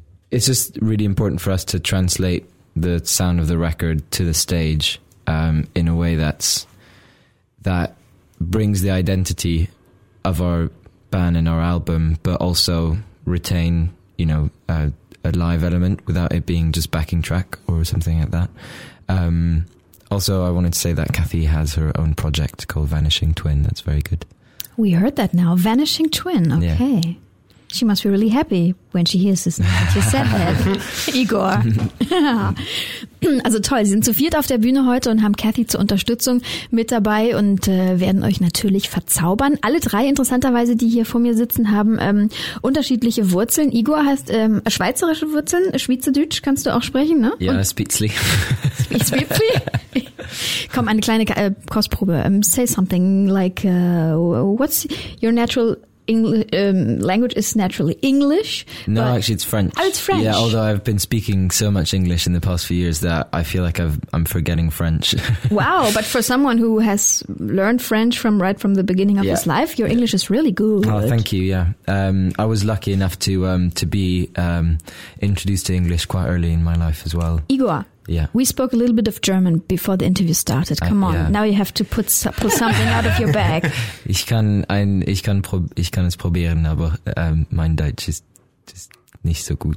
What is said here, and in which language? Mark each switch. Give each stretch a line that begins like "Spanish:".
English: It's just really important for us to translate the sound of the record to the stage in a way that brings the identity of our band and our album, but also retain, you know, a live element without it being just backing track or something like that. Also, I wanted to say that Kathy has her own project called Vanishing Twin. That's very good. We heard that now. Vanishing Twin. Okay. Yeah. She must be really happy when she hears this. She said that, Igor.
German: Also toll, sie sind zu viert auf der Bühne heute und haben Kathy zur Unterstützung mit dabei und werden euch natürlich verzaubern. Alle drei, interessanterweise, die hier vor mir sitzen, haben unterschiedliche Wurzeln. Igor heißt schweizerische Wurzeln, Schweizerdeutsch kannst du auch sprechen, ne? Ja, Spitzli. Spitzli? Komm, eine kleine Kostprobe.
English: Say something like, what's your natural... language is naturally English. No, actually it's French. Oh, it's French. Yeah, although I've been speaking so much English in the past few years that I feel like I'm forgetting French. Wow, but for someone who has learned French from the beginning of his life, your English is really good. Oh, thank you, yeah. I was lucky enough to be introduced to English quite early in my life as well. Igor. Yeah. We spoke a little bit of German before the interview started. Now you have to pull something out of your bag.
German: Ich kann es probieren, aber mein Deutsch ist just nicht so gut.